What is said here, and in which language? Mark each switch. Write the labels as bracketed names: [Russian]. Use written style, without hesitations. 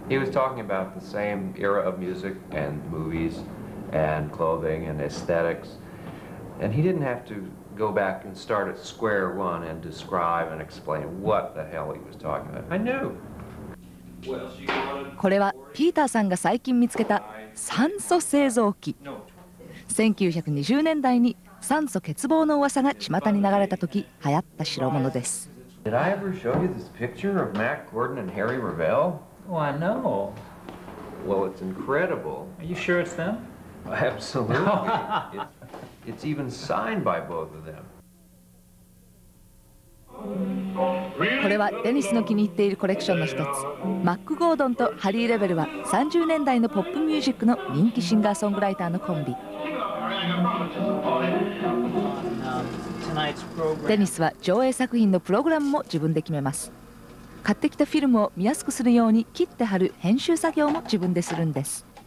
[English] Talking about the same era of music and movies and clothing and aesthetics, and he didn't have to go back and start at square one and describe and explain what the hell he was talking about. I knew. [Japanese] これはピーターさんが最近見つけた酸素製造機。 1920年代に酸素欠乏の噂が巷に流れた時流行った代物です。 [English] Did I ever show you this picture of Mack Gordon and Harry Revell? Oh, I know. Well, it's incredible. Are you sure it's them? Absolutely. it's even signed by both of them. [Japanese] これはデニスの気に入っているコレクションの一つ。マック・ゴードンとハリー・レベルは30年代のポップミュージックの人気シンガーソングライターのコンビ。デニスは上映作品のプログラムも自分で決めます。買ってきたフィルムを見やすくするように切って貼る編集作業も自分でするんです。